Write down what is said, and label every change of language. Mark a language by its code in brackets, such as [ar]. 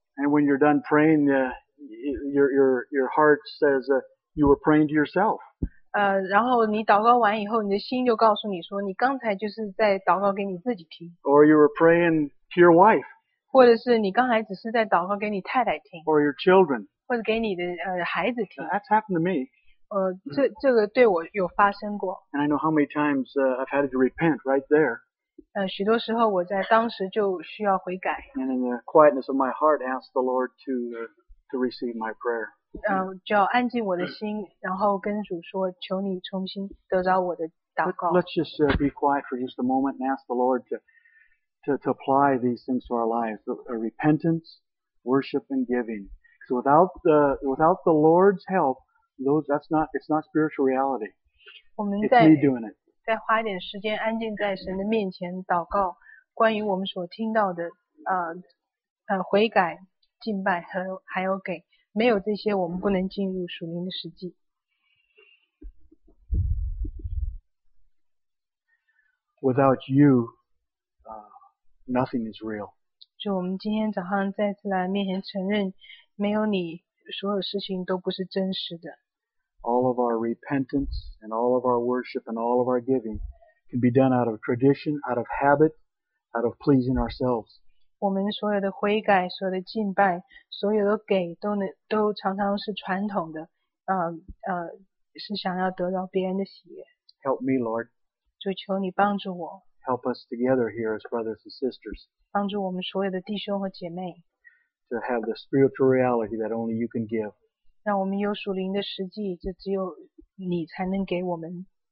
[en] And when you're done praying, your heart says you were praying to yourself. [zh] 然后你祷告完以后，你的心就告诉你说，你刚才就是在祷告给你自己听。 [en] Or you were praying to your wife. [zh] 或者是你刚才只是在祷告给你太太听。 [en] Or your children. [zh] 或者给你的孩子听。 [en] That's happened to me. [zh] 这个对我有发生过。 [en] And I know how many times I've had to repent right there. [zh] 许多时候我在当时就需要悔改。 [en] And in the quietness of my heart, ask the Lord to receive my prayer. [zh] 就要安静我的心，然后跟主说，求你重新得着我的祷告。 [en] Let's just be quiet for just a moment and ask the Lord to apply these things to our lives: repentance, worship, and giving. So without the Lord's help, it's not spiritual reality. It's me doing it. [zh] 再花一点时间安静在神的面前祷告，关于我们所听到的悔改、敬拜和还有给，没有这些我们不能进入属灵的实际。 [en] Without you, nothing is real. [zh] 就我们今天早上再次来面前承认，没有你，所有事情都不是真实的。 [en] All of our repentance and all of our worship and all of our giving can be done out of tradition, out of habit, out of pleasing ourselves. [zh] 我们所有的悔改、所有的敬拜、所有的给，都常常是传统的，是想要得到别人的喜悦。 [en] Help me, Lord. [zh] 就求你帮助我。 [en] Help us together here as brothers and sisters. [zh] 帮助我们所有的弟兄和姐妹。 [en] To have the spiritual reality that only you can give. [zh] 让我们有属灵的实际，就只有你才能给我们。